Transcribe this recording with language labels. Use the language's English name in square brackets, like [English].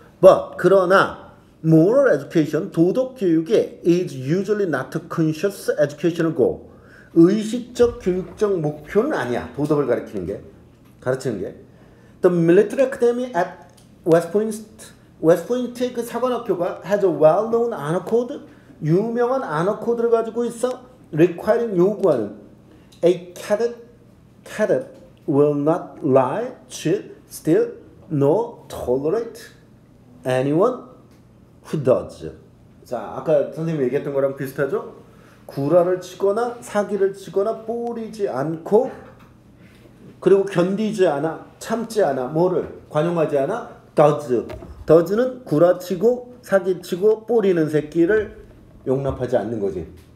[English] But, [Korean] 그러나, [English] moral education, [Korean] 도덕 교육이 [English] is usually not a conscious educational goal. [Korean] 의식적 교육적 목표는 아니야. 도덕을 가르치는 게. 가르치는 게. [English] The military academy at West Point [Korean] 의 그 사관학교가 [English] has a well-known honor code. [Korean] 유명한 honor code를 가지고 있어. [English] Requiring [Korean] 요구하는. [English] A cadet will not lie, cheat, steal, nor tolerate anyone who does. [Korean] 자, 아까 선생님이 얘기했던 거랑 비슷하죠? 구라를 치거나 사기를 치거나 뿌리지 않고 그리고 견디지 않아, 참지 않아, 뭐를 관용하지 않아? does는 구라치고 사기치고 뿌리는 새끼를 용납하지 않는 거지.